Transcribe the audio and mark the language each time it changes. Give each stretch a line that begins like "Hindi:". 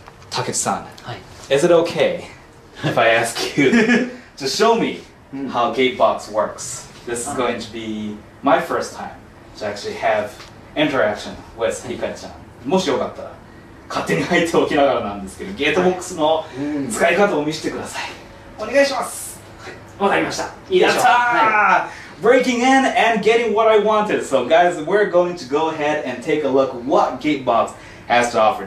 English: Takeshi-san, is it okay if I ask you to show me how Gatebox works? This is going to be my first time to actually have interaction with Hikari-chan.
Japanese: もしよかったら、勝手に入っておきながらなんですけど、ゲートボックスの使い方を見せてください。お願いします。わかりました。やったー!
English: Breaking in and getting what I wanted. So guys, we're going to go ahead and take a look what Gatebox has to offer.